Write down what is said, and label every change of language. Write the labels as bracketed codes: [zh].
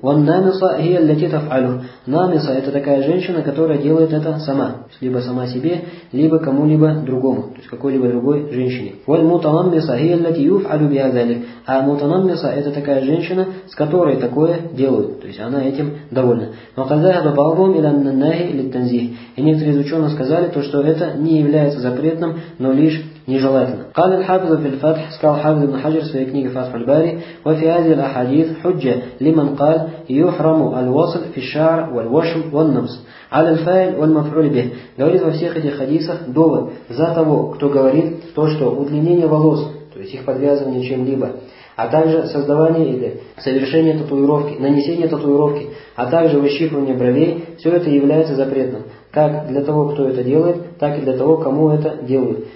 [ar] Ван намиса хия лати тафалю. [ru] Намиса — это такая женщина, которая делает это сама, либо сама себе, либо кому-либо другому, то есть какой-либо другой женщине. [ar] Ван мутанамиса хия лати юфалю биха залик. [ru] А мутанамиса — это такая женщина, с которой такое делают, то есть она этим довольна. [ar] Ва кад заха баъдум иля ан-нахи лит-танзих. [ru] И некоторые из ученых сказали то, что это не является запретным, но лишь нежелательно. [ar] قال الحافظ في الفتح, [ru] сказал Хафиз ибн Хаджар в своей книге Фатх аль-Бари, [ar] وفي هذه الأحاديث حجة لمن قال يحرم الوصل في الشعر والوشم والنمس على الفاعل والمفعول به. [ru] Говорит, во всех этих хадисах довод за того, кто говорит то, что удлинение волос, то есть их подвязывание чем-либо, а также создавание или совершение татуировки, нанесение татуировки, а также выщипывание бровей, все это является запретным. Как для того, кто это делает, так и для того, кому это делают.